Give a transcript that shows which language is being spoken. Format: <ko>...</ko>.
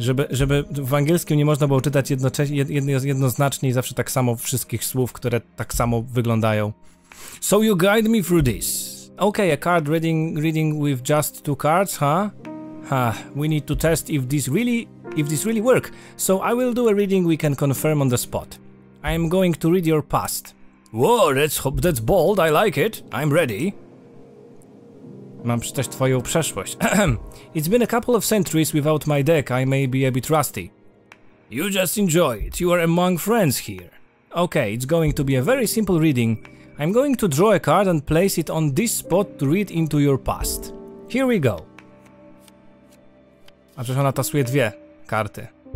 <pl>Żeby w angielskim nie można było czytać jednoznacznie i zawsze tak samo wszystkich słów, które tak samo wyglądają.</pl> <en>So you guide me through this. Okay, a card reading with just two cards, huh? We need to test if this really work. So I will do a reading we can confirm on the spot. I am going to read your past. Whoa, that's bold, I like it. I'm ready.</en> <pl>Mam przeczytać twoją przeszłość.</pl> <en>It's been a couple of centuries without my deck. I may be a bit rusty. You just enjoy it. You are among friends here. Okay, it's going to be a very simple reading. I'm going to draw a card and place it on this spot to read into your past. Here we go.</en> <pl>A przecież ona tasuje dwie karty.</pl>